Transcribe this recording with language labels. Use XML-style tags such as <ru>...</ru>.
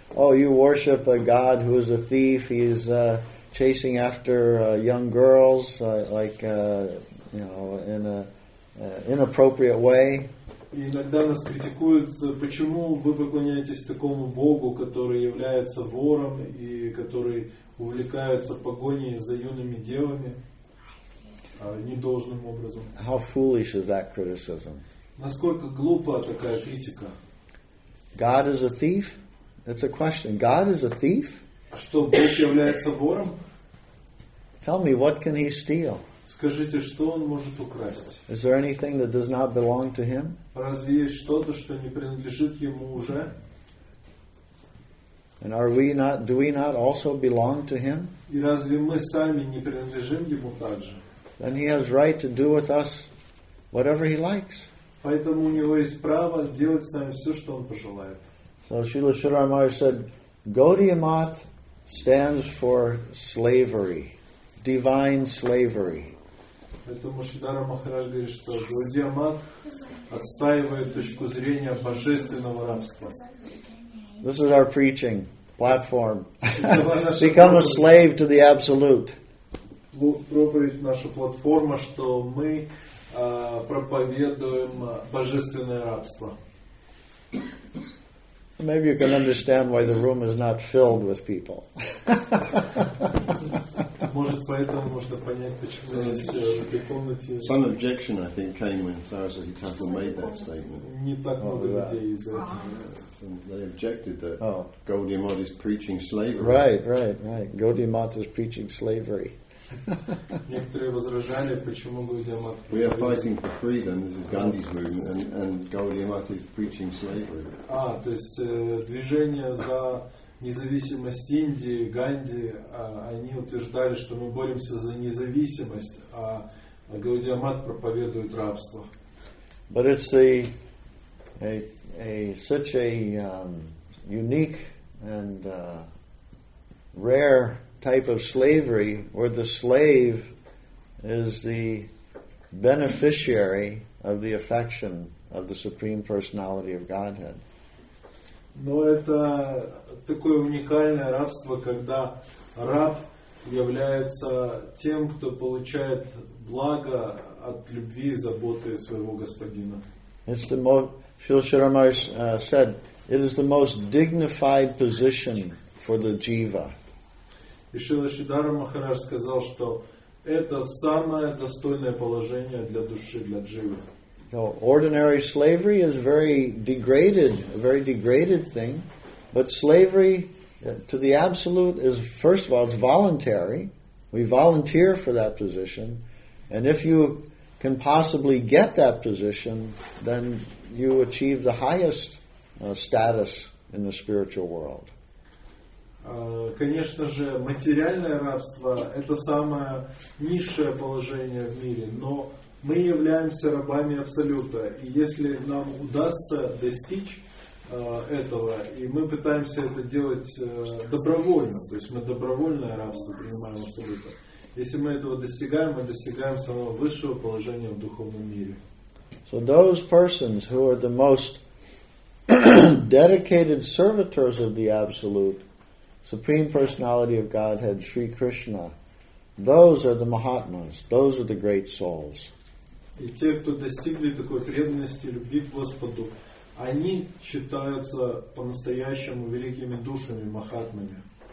<en>Oh, you worship a god who is a thief. He's chasing after young girls, like you know, in a inappropriate way.</en> <ru>Иногда нас критикуют, почему вы поклоняетесь такому богу, который является вором и который увлекается погоней за юными девами.</ru> <en>How foolish is that criticism?</en> <ru>Насколько глупа такая критика?</ru> <en>God is a thief? It's a question. God is a thief?</en> <ru>Что, Бог является вором?</ru> <en>Tell me, what can he steal?</en> <ru>Скажите, что он может украсть?</ru> <en>Is there anything that does not belong to him?</en> <ru>Разве есть что-то, что не принадлежит ему уже?</ru> <en>And are we not, do we not also belong to him?</en> <ru>И разве мы сами не принадлежим ему также?</ru> <en>Then he has right to do with us whatever he likes.</en> <ru>Поэтому у него есть право делать с нами все, что он пожелает.</ru> <en>So Srila Sridhar Maharaj said, Gaudiya Math stands for slavery, divine slavery.</en> <ru>Поэтому Шридхара Махарадж говорит, что Гаудия Мат отстаивает точку зрения божественного рабства.</ru> <en>This is our preaching platform. Become a slave to the absolute.</en> <ru>Проповедь наша платформа, что мы проповедуем божественное рабство.</ru> <en>Maybe you can understand why the room is not filled with people.</en> <ru>Может поэтому можно понять, почему здесь в этой комнате.</ru> <en>Some objection, I think, came when Saraswati Thakur made that statement.</en> <ru>Не так много людей из-за этого.</ru> <en>They objected that Gaudiya Math is preaching slavery. Right. Gaudiya Math is preaching slavery.</en> <ru>Некоторые возражали, почему Gaudiya Math.</ru> <en>We are fighting for freedom. This is Gandhi's movement, and Gaudiya Math is preaching slavery.</en> <ru>То есть движение за независимость Индии, Ганди, они утверждали, что мы боремся за независимость, а Gaudiya Math проповедует рабство.</ru> <en>But it's such a unique and rare type of slavery where the slave is the beneficiary of the affection of the Supreme Personality of Godhead.</en> <ru>Но это такое уникальное рабство, когда раб является тем, кто получает благо от любви и заботы своего господина.</ru> <en>It's the most Srila Sridhar Maharaj said, it is the most dignified position for the jiva.</en> <ru>Srila Sridhar Maharaj сказал, что это самое достойное положение для души, для дживы.</ru> <en>So ordinary slavery is a very degraded thing. But slavery to the absolute is, first of all, it's voluntary. We volunteer for that position. And if you can possibly get that position, then you achieve the highest status in the spiritual world.</en> <ru>Конечно же, материальное рабство – это самое низшее положение в мире, но мы являемся рабами Абсолюта, и если нам удастся достичь этого, и мы пытаемся это делать добровольно, то есть мы добровольное рабство принимаем Абсолюта, если мы этого достигаем, мы достигаем самого высшего положения в духовном мире.</ru> <en>So those persons who are the most dedicated servitors of the Absolute, Supreme Personality of Godhead, Sri Krishna, those are the Mahatmas, those are the great souls.</en> <ru>И те, кто достигли такой преданности и любви к Господу, они считаются по-настоящему великими душами, Махатмами.</ru>